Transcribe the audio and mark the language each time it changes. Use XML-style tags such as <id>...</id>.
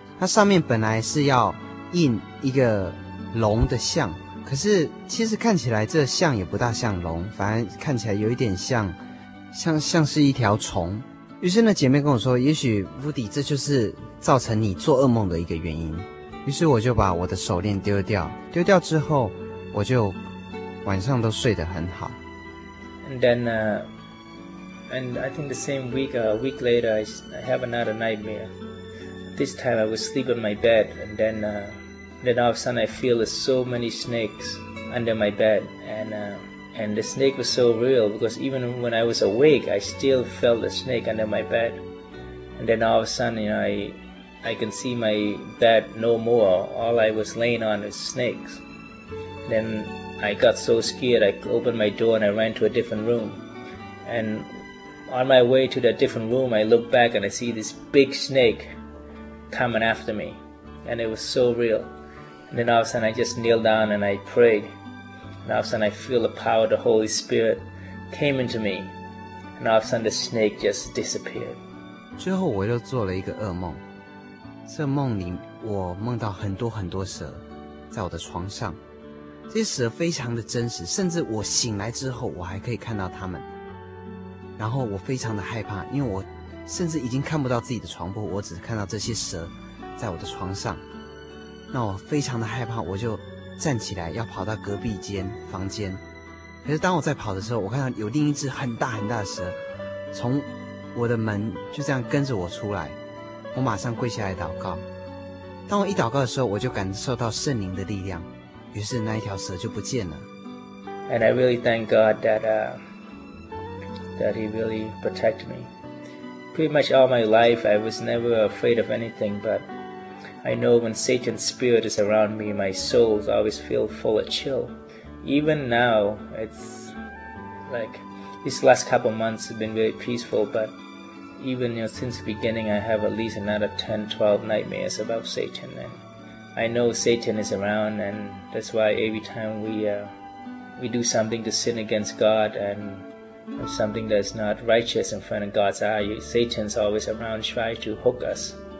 <zh>它上面本来是要印一个龙的像，可是其实看起来这像也不大像龙，反而看起来有一点像是一条虫。于是那姐妹跟我说，也许乌迪这就是造成你做噩梦的一个原因。于是我就把我的手链丢掉，丢掉之后我就晚上都睡得很好。</zh> <en>And then, and I think the same week, a week later, I have another nightmare. This time I was sleeping in my bed, and then all of a sudden I feel so many snakes under my bed. And the snake was so real, because even when I was awake, I still felt the snake under my bed. And then all of a sudden, you know, I can see my bed no more. All I was laying on was snakes. Then I got so scared, I opened my door and I ran to a different room. And on my way to that different room, I look back and I see this big snake coming after me. And it was so real. And then all of a sudden, I just kneeled down and I prayed. And all of a sudden, I feel the power of the Holy Spirit came into me. And all of a sudden, the snake just disappeared.</en> <zh>最后我又做了一个噩梦。这梦里我梦到很多很多蛇在我的床上。这些蛇非常的真实，甚至我醒来之后我还可以看到它们，然后我非常的害怕，因为我甚至已经看不到自己的床铺，我只看到这些蛇在我的床上。那我非常的害怕，我就站起来要跑到隔壁间房间，可是当我在跑的时候，我看到有另一只很大很大的蛇从我的门就这样跟着我出来。我马上跪下来祷告，当我一祷告的时候，我就感受到圣灵的力量，于是那一条蛇就不见了。</zh> <en>And I really thank God that, that he really protected me. Pretty much all my life, I was never afraid of anything, but I know when Satan's spirit is around me, my soul always feels full of chill. Even now, it's like, these last couple months have been very peaceful, but even, you know, since the beginning, I have at least another 10, 12 nightmares about Satan, andI know Satan is around, and that's why every time we do something to sin against God and something that's not righteous in front of God's eye, Satan's always around trying to hook us.</en>